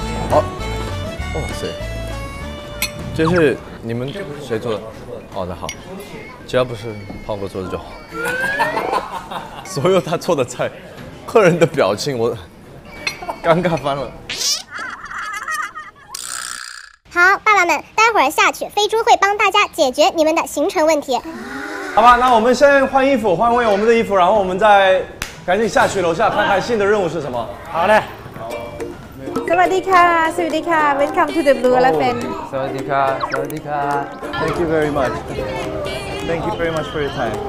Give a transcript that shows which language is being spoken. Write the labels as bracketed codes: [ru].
[zh] 好哇塞这是你们谁做的哦那好只要不是胖哥做的就好所有他做的菜客人的表情我尴尬翻了好爸爸们待会儿下去飞猪会帮大家解决你们的行程问题好吧那我们先换衣服换回我们的衣服然后我们再赶紧下去楼下看看新的任务是什么好嘞 [th] สวัสดีค่ะสวัสดีค่ะ [en] Welcome to the Blue Elephant [th] สวัสดีค่ะสวัสดีค่ะ [en] Thank you very much Thank you very much for your time